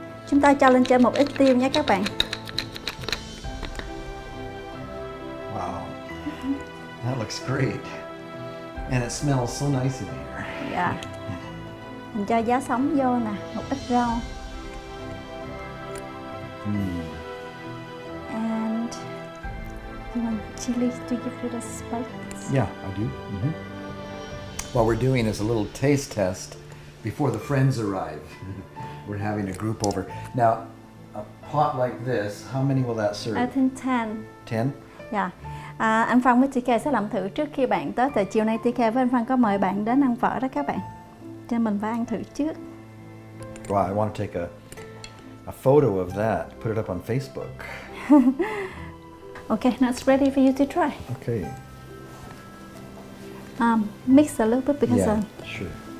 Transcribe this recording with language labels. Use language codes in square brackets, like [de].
[vi] Chúng ta cho lên trên một ít tiêu nha các bạn. [en] Wow. That looks great. And it smells so nice in here. Yeah. [vi] Mình cho giá sống vô nè, một ít rau. [en] And you want chili to give it a spice? Yeah, I do. Mm-hmm. What we're doing is a little taste test before the friends arrive. We're having a group over. Now, a pot like this, how many will that serve? I think 10. 10? Yeah. [vi] Anh Phan với TK sẽ làm thử trước khi bạn tới. Tại chiều nay TK với anh Phan có mời bạn đến ăn phở đó các bạn. Cho mình phải ăn thử trước. [en] Wow, I want to take a photo of that. Put it up on Facebook. Okay, now it's ready for you to try. Okay. Mix a little bit because yeah, of... sure.